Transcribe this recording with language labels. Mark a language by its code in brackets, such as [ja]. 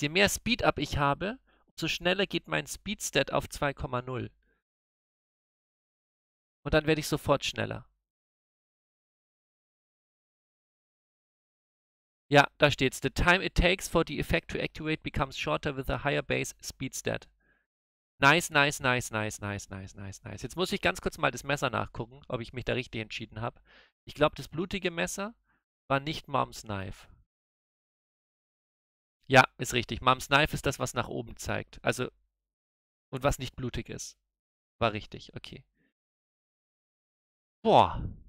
[de] Je mehr Speed-Up ich habe, umso schneller geht mein Speed stat auf 2,0. Und dann werde ich sofort schneller. Ja, da steht's. [en] The time it takes for the effect to activate becomes shorter with a higher base speed stat. Nice, nice, nice, nice, nice, nice, nice, nice. [de] Jetzt muss ich ganz kurz mal das Messer nachgucken, ob ich mich da richtig entschieden habe. Ich glaube, das blutige Messer war nicht Mom's Knife. Ja, ist richtig. Mom's Knife ist das, was nach oben zeigt. Also, und was nicht blutig ist. War richtig, okay. Boah.